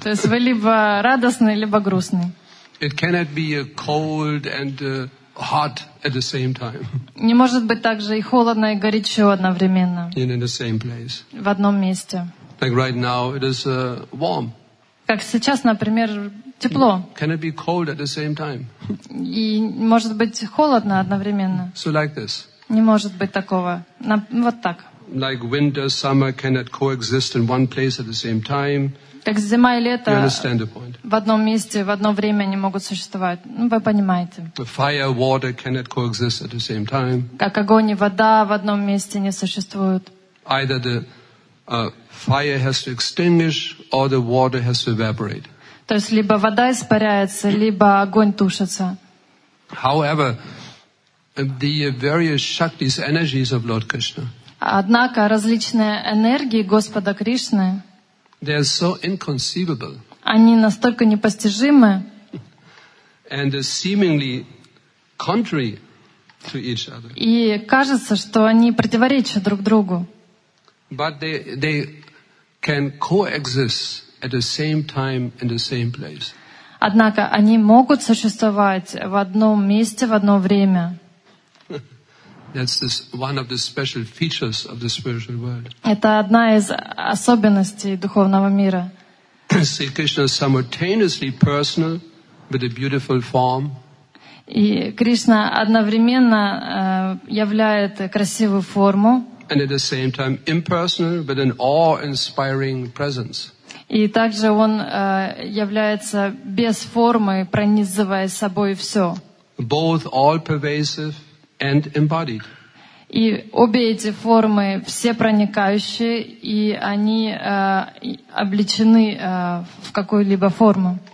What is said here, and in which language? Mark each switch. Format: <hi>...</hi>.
<ru>То есть вы либо радостны, либо грустны.</ru> <en>It cannot be cold and hot at the same time.</en> <ru>Не может быть также и холодно, и горячо одновременно.</ru> <en>In the same place.</en> <ru>В одном месте.</ru> <en>Like right now, it is warm.</en> <ru>Как сейчас, например, тепло.</ru> <en>Can it be cold at the same time?</en> <ru>И может быть холодно одновременно.</ru> <en>So like this.</en> <ru>Не может быть такого. Вот так.</ru> <en>Like winter, summer cannot coexist in one place at the same time.</en> <ru>Как зима и лето.</ru> <en>You understand the point.</en> <ru>В одном месте, в одно время не могут существовать. Вы понимаете.</ru> <en>The fire, water cannot coexist at the same time.</en> <ru>Как огонь и вода в одном месте не существуют.</ru> <en>Either the fire has to extinguish or the water has to evaporate.</en> <ru>То есть либо вода испаряется, либо огонь тушится.</ru> <en>However, the various shaktis, energies of Lord Krishna.</en> <ru>Однако различные энергии Господа Кришны.</ru> <en>They are so inconceivable.</en> <ru>Они настолько непостижимы.</ru> <en>And seemingly contrary to each other.</en> <ru>И кажется, что они противоречат друг другу.</ru> <en>But they can coexist at the same time in the same place.</en> <ru>Однако они могут существовать в одном месте в одно время.</ru> <en>That's this one of the special features of the spiritual world.</en> <ru>Это одна из особенностей духовного мира.</ru> <en>See, Krishna is simultaneously personal with a beautiful form.</en> <ru>И Кришна одновременно являет красивую форму.</ru> <en>And at the same time impersonal with an awe-inspiring presence.</en> <ru>И также он является без формы, пронизывая собой все.</ru> <en>Both all-pervasive and embodied.</en> <ru>И обе эти формы все проникающие, и они облечены в какую-либо форму.</ru>